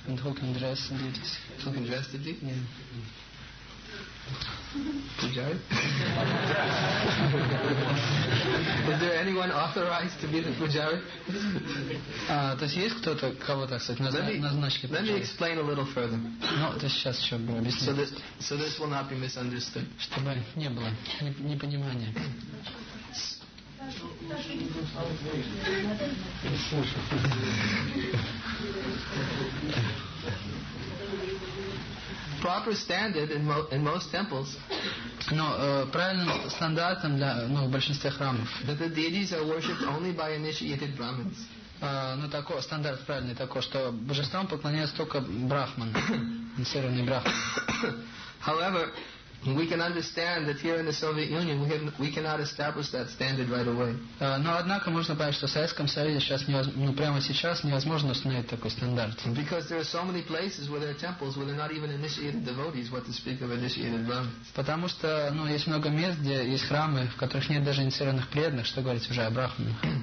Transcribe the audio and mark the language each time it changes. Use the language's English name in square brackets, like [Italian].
[English] And who can dress the deities? Who can dress the deities? Yeah. Pujari? Is there anyone authorized to be the pujari? [Russian] То есть есть кто-то, кого так сказать, назначили [English] пуджари? Let me explain a little further. [Russian] Ну, то сейчас еще будем объяснять. [English] So this will not be misunderstood. [Russian] Чтобы не было непонимания. [English] Proper standard in most temples. [Russian] Но правильным стандартом для в большинстве храмов. [English] That the deities are worshipped only by initiated brahmins. [Russian] Ну такой стандарт правильный такой, что божествам поклоняются только брахманы. серьезный брах. [English] However, we can understand that here in the Soviet Union we cannot establish that standard right away. [Russian] Но однако можно понять, что в Советском Союзе сейчас прямо сейчас невозможно установить такой стандарт. [English] Because there are so many places where there are temples where they're not even initiated devotees, what to speak of initiated brahmins. [Russian] Потому что, ну, есть много мест, где есть храмы, в которых нет даже инициированных преданных, что говорить уже о брахманах.